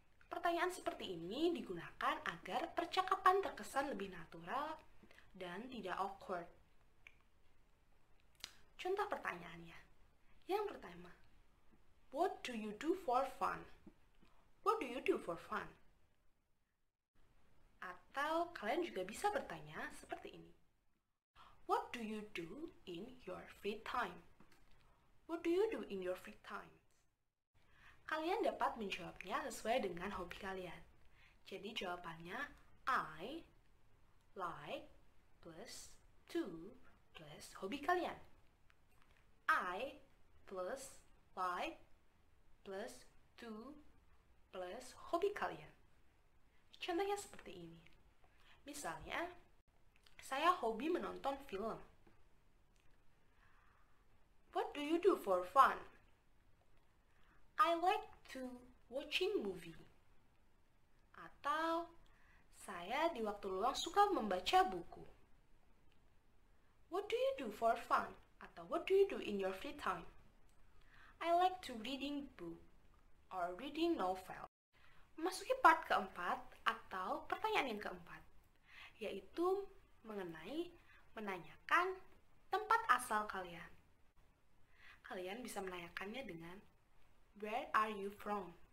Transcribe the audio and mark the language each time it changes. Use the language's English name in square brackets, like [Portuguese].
[Indonesian] Pertanyaan seperti ini digunakan agar percakapan terkesan lebih natural dan tidak awkward. Contoh pertanyaannya. Yang pertama, [English] what do you do for fun? What do you do for fun? [Indonesian] Atau kalian juga bisa bertanya seperti ini. [English] What do you do in your free time? What do you do in your free time? [Indonesian] Kalian dapat menjawabnya sesuai dengan hobi kalian. Jadi jawabannya [English] I like plus to plus [Indonesian] hobi kalian. [English] I plus like plus to plus [Indonesian] hobi kalian. Contohnya seperti ini. Misalnya, saya hobi menonton film. [English] What do you do for fun? I like to watching movie. [Indonesian] Atau, saya di waktu luang suka membaca buku. [English] What do you do for fun? [Indonesian] Atau, [English] what do you do in your free time? I like to reading book or reading novel. [Indonesian] Memasuki part keempat atau pertanyaan yang keempat, yaitu mengenai menanyakan tempat asal kalian. Kalian bisa menanyakannya dengan [English] where are you from?